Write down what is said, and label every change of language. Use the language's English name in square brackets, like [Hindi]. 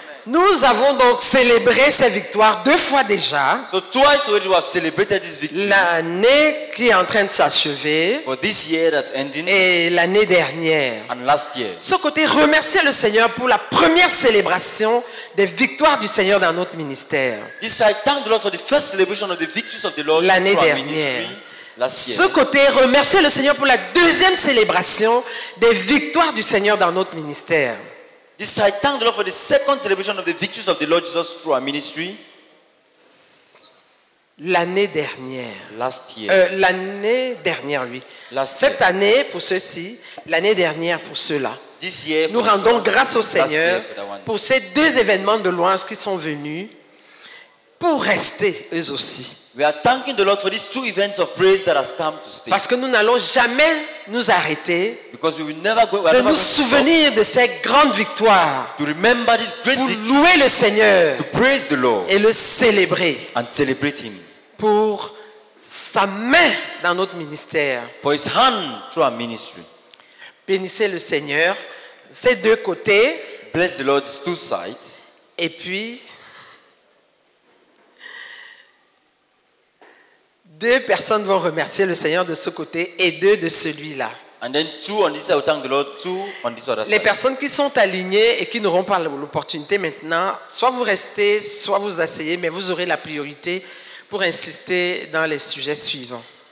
[French] Nous avons donc célébré cette victoire deux fois déjà. [English] So twice already we have celebrated this victory. [French] L'année qui est en train de s'achever. [English] For this year that's ending. [French] Et l'année dernière. [English] And last year. [French] Ce côté, remercier le Seigneur pour la première célébration des victoires du Seigneur dans notre ministère. [English] This side, thank the Lord for the first celebration of the victories of the Lord. [French] L'année dernière. Ce côté, remercier le Seigneur pour la deuxième célébration des victoires du Seigneur dans notre ministère. [English] This side, thank the Lord for the second celebration of the victories of the Lord Jesus through our ministry. [French] L'année dernière. [English] Last year. [French] L'année dernière, oui. [English] Last [French] Cette [English] year. [French] Année pour ceux-ci, l'année dernière pour ceux-là. [English] This year. [French] Nous rendons grâce au Seigneur pour ces deux événements de louange qui sont venus pour rester eux aussi. [English] We are thanking the Lord for these two events of praise that has come to stay. [French] Parce que nous n'allons jamais nous arrêter. [English] Because we will never go. We [French] de nous souvenir de ces grandes victoires. [English] To remember this great victory. [French] Pour louer le Seigneur. [English] To praise the Lord. [French] Et le célébrer. [English] And celebrate Him. [French] Pour sa main dans notre ministère. [English] For His hand through our ministry. [French] Bénissez le Seigneur, ces deux côtés. [English] Bless the Lord, these two sides. [French] Et puis. Deux personnes vont remercier le Seigneur de ce côté et deux de celui-là. [English] And then two on this side will thank the Lord, two on this other side. [French] Les personnes qui sont alignées et qui n'auront pas l'opportunité maintenant, soit vous restez, soit vous asseyez, mais vous aurez la priorité pour insister dans les sujets suivants.